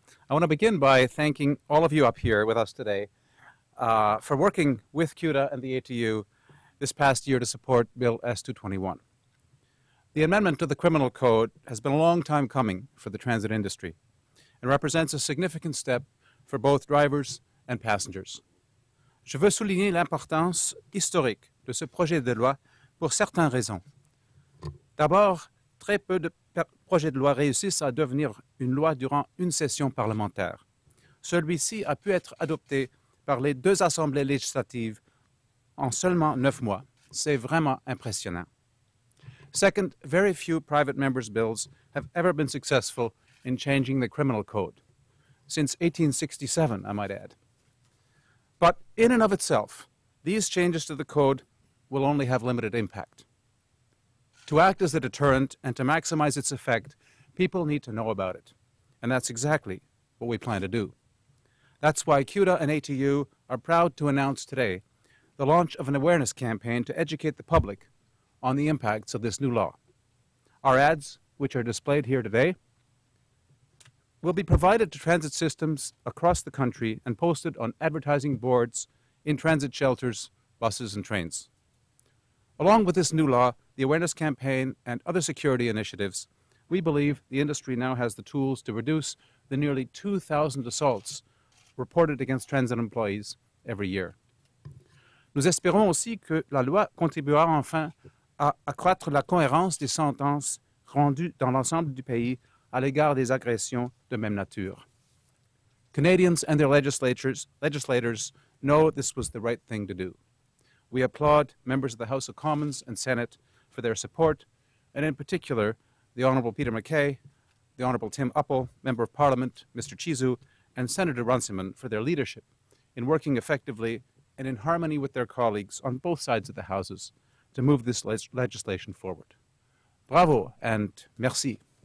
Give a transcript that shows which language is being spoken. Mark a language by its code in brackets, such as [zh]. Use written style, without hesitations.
[en] I want to begin by thanking all of you up here with us today for working with CUTA and the ATU this past year to support Bill S-221. The amendment to the criminal code has been a long time coming for the transit industry and represents a significant step for both drivers and passengers. [fr] Je veux souligner l'importance historique de ce projet de loi pour certaines raisons. D'abord, très peu de projets de loi réussissent à devenir une loi durant une session parlementaire. Celui-ci a pu être adopté par les deux assemblées législatives en seulement 9 mois. C'est vraiment impressionnant. [en] Second, very few private members' bills have ever been successful in changing the criminal code, since 1867, I might add. But in and of itself, these changes to the code will only have limited impact. To act as a deterrent and to maximize its effect, people need to know about it. And that's exactly what we plan to do. That's why CUTA and ATU are proud to announce today the launch of an awareness campaign to educate the public on the impacts of this new law. Our ads, which are displayed here today, will be provided to transit systems across the country and posted on advertising boards, in transit shelters, buses, and trains. Along with this new law, the awareness campaign, and other security initiatives, we believe the industry now has the tools to reduce the nearly 2,000 assaults reported against transit employees every year. [fr] Nous espérons aussi que la loi contribuera enfin à accroître la cohérence des sentences rendues dans l'ensemble du pays à l'égard des agressions de même nature. [en] Canadians and their legislators know this was the right thing to do. We applaud members of the House of Commons and Senate for their support, and in particular, the Honorable Peter McKay, the Honorable Tim Apple, Member of Parliament, Mr. Chizu, and Senator Runciman for their leadership in working effectively and in harmony with their colleagues on both sides of the houses to move this legislation forward. Bravo and merci.